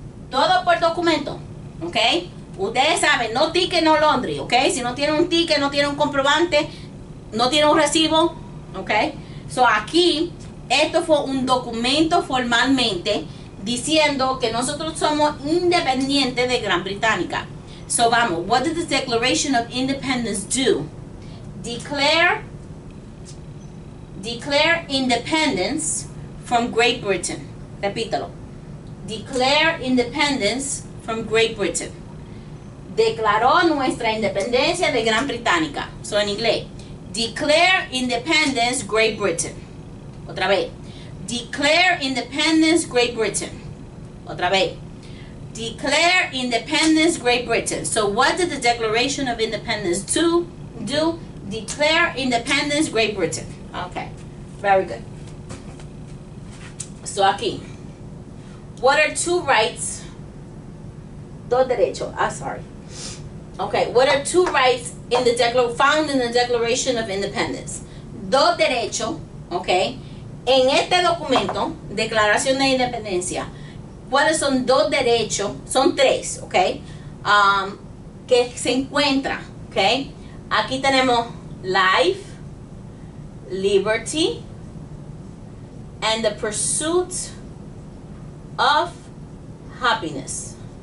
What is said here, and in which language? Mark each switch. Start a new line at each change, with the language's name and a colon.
Spanish: Todo por documento, okay? Ustedes saben,
English: no ticket, no laundry,
Spanish: okay? Si no tiene un ticket, no tiene un comprobante, no tiene un recibo, okay? So aquí, esto fue un documento formalmente diciendo que nosotros somos independientes de Gran Bretaña.
English: So
Spanish: vamos,
English: what did the Declaration of Independence do? Declare independence from Great Britain.
Spanish: Repítelo.
English: Declare independence from Great Britain.
Spanish: Declaró nuestra independencia de Gran Bretaña.
English: So
Spanish: en inglés,
English: declare independence Great Britain.
Spanish: Otra vez.
English: Declare independence Great Britain.
Spanish: Otra vez.
English: Declare independence Great Britain. So what did the Declaration of Independence do? Declare independence Great Britain. Okay. Very good. So aquí. What are two rights?
Spanish: Dos derechos.
English: I'm sorry. Okay. What are two rights found in the Declaration of Independence?
Spanish: Dos derechos. Okay. En este documento, Declaración de Independencia, ¿cuáles son dos derechos? Son tres, ¿ok? Que se encuentra, ¿ok? Aquí tenemos
English: life, liberty, and the pursuit of happiness.